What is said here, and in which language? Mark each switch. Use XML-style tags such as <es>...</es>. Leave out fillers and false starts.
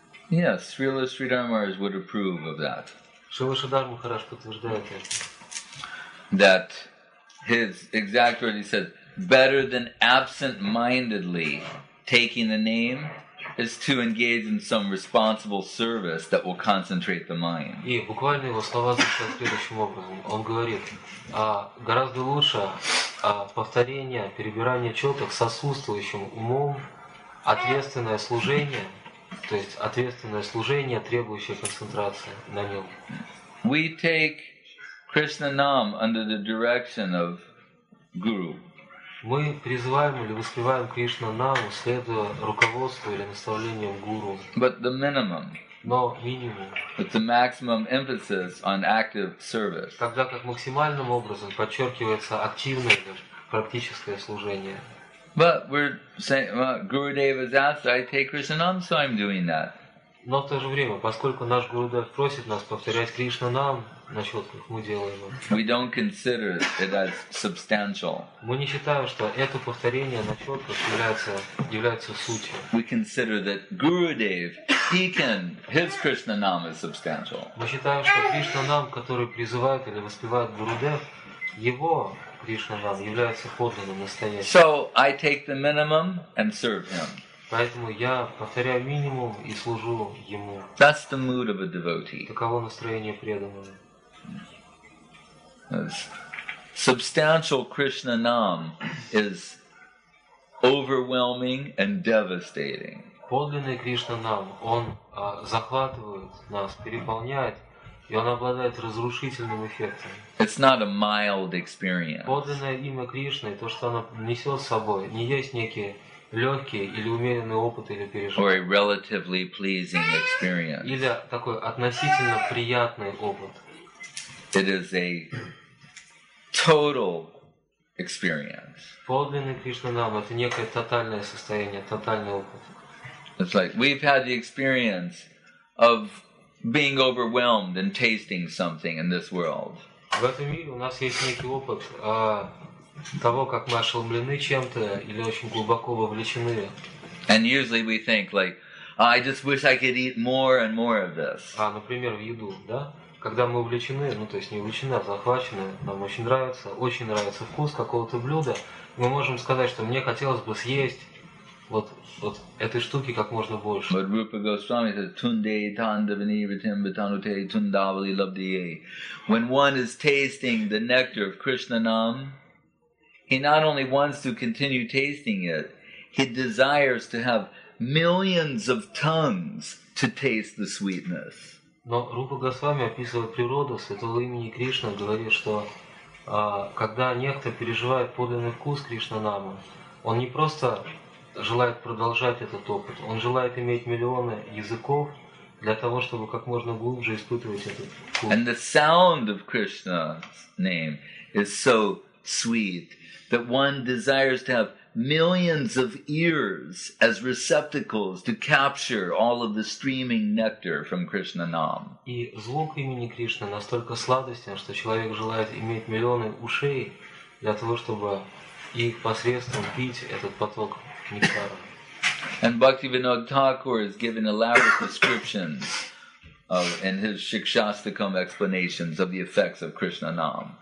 <en>Yes, Srila Sridhar Maharaj would approve of that.</en> <ru>Srila Sridhar Maharaj подтверждает это.</ru> <en>That his exact word, he says, better than absent-mindedly taking the name is to engage in some responsible service that will concentrate the mind.</en> <ru>И буквально его слова звучат следующим образом. Он говорит, гораздо лучше повторение, перебирание четок с отсутствующим умом, ответственное служение, то есть ответственное служение, требующее концентрации на нем.</ru> <en>We take Krishna Nam under the direction of Guru.</en> <ru>Мы призываем или воспеваем Кришну нам, следуя руководству или наставлениям гуру.</ru> <en>But the minimum.</en> <ru>Но минимум.</ru> <en>But the maximum emphasis on active service.</en> <ru>Тогда как максимальным образом подчеркивается активное или практическое служение.</ru> <en>But we're saying, well, Gurudev has asked, I take Krishnanam, so I'm doing that.</en> <ru>Но в то же время, поскольку наш Гурудев просит нас повторять Кришнанам, насчет как мы делаем это.</ru> <en>We don't consider it as substantial.</en> <ru>Мы не считаем, что это повторение насчет как является сутью.</ru> <en>We consider that Gurudev, he can, his Krishnanam is substantial.</en> <ru>Мы считаем, что Кришнанам, который призывает или воспевает Гурудев, его Кришнанам является подлинным, настоящим.</ru> <en>So I take the minimum and serve him.</en> <ru>Поэтому я повторяю минимум и служу ему.</ru> <en>That's the mood of a devotee.</en> <ru>Таково настроение преданного.</ru> <en>Substantial Krishna nam is overwhelming and devastating.</en> <ru>Подлинный Кришна нам, он захватывает нас, переполняет, и он обладает разрушительным эффектом.</ru> <en>It's not a mild experience.</en> <ru>Подлинное имя Кришны, то, что оно несет с собой, не есть некие легкий или умеренный опыт или переживание.</ru> <en>Or a relatively pleasing experience.</en> <ru>Или такой относительно приятный опыт.</ru> <en>It is a total experience.</en> <ru>Подлинный Кришнанам — это некое тотальное состояние, тотальный опыт.</ru> <en>It's like we've had the experience of being overwhelmed and tasting something in this world.</en> <ru>В этом мире у нас есть некий опыт того, как мы ошеломлены чем-то или очень глубоко вовлечены.</ru> <en>And usually we think like, I just wish I could eat more and more of this.</en> <ru>А, например, в еду, да? Когда мы увлечены, ну то есть не увлечены, а захвачены, нам очень нравится вкус какого-то блюда, мы можем сказать, что мне хотелось бы съесть вот этой штуки как можно больше.</ru> <en>But Rupa Goswami says,</en> <sa>Tunde tandavani vritim vitanute tundavali labdiye.</sa> <en>When one is tasting the nectar of Krishnanam, he not only wants to continue tasting it, he desires to have millions of tongues to taste the sweetness.</en> <ru>Но Рупа Госвами описывает природу святого имени Кришны, говорит, что когда некто переживает подлинный вкус Кришнанамы, он не просто желает продолжать этот опыт, он желает иметь миллионы языков для того, чтобы как можно глубже испытывать этот вкус.</ru> <en>And the sound of Krishna's name is so sweet that one desires to have millions of ears as receptacles to capture all of the streaming nectar from Krishnanam.</en> <ru>И звук имени Кришны настолько сладостен, что человек желает иметь миллионы ушей для того, чтобы их посредством пить этот поток нектара.</ru> <en>And Bhaktivinoda Thakur has given elaborate descriptions of, in his Shikshastakam explanations of the effects of Krishnanam.</en>